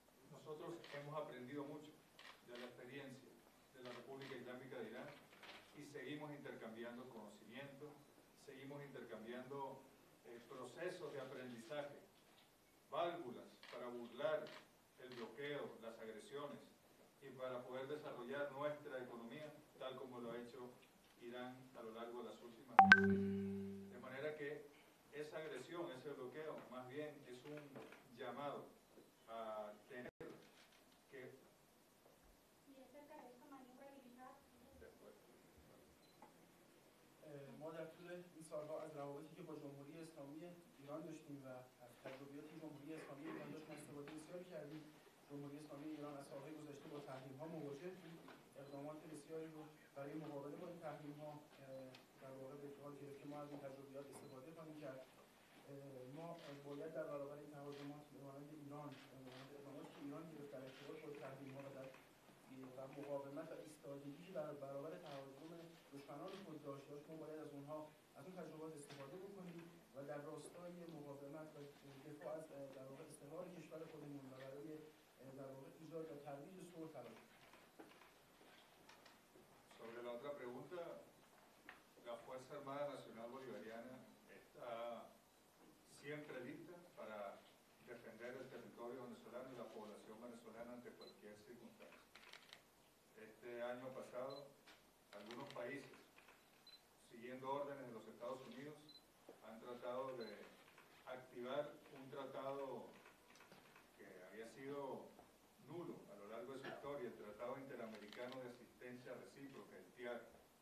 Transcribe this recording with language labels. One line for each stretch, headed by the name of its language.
Spanish: Nosotros hemos aprendido mucho de la experiencia de la República Islámica de Irán y seguimos intercambiando conocimientos, seguimos intercambiando procesos de aprendizaje, válvulas para burlar el bloqueo, las agresiones y para poder desarrollar nuestra economía tal como lo ha hecho Irán a lo largo de las últimas décadas. De manera que esa agresión, ese bloqueo, más bien es un llamado a tener que... ¿Y acerca de esta maniobra militar? Después.
Persian: ما در طول این سالها از روابطی که با جمهوری اسلامی ایران داشتیم و از تجربیات جمهوری اسلامی ایران داشتیم استفاده کردیم جمهوری اسلامی ایران از سالهای گذشته با تحریم ها مواجه بود، اقدامات بسیاری رو برای مقابله با این تحریم ها در واقع به کار گرفت که ما از این تجربیات استفاده خواهیم کرد. ما باید در برابر این تهاجمات مانند ایران اقدامات که ایران گرفت در ارتباط با تحریم ها و مقاومت و ایستادگی در برابر تهاجم دشمنان خود داشته باشیم، ما باید از اونها از اون تجربات استفاده بکنیم و در راستای مقاومت و دفاع از در واقع استقلال کشور خودمون و برای در واقع ایجاد و ترویج صلح تلاش کنیم.
Spanish: Sobre la otra pregunta, la Fuerza Armada Nacional Bolivariana está siempre lista para defender el territorio venezolano y la población venezolana ante cualquier circunstancia. Este año pasado, algunos países, siguiendo órdenes de los Estados Unidos, han tratado de activar un tratado que había sido nulo a lo largo de su historia, el Tratado Interamericano de Asistencia Recíproca, el TIAR.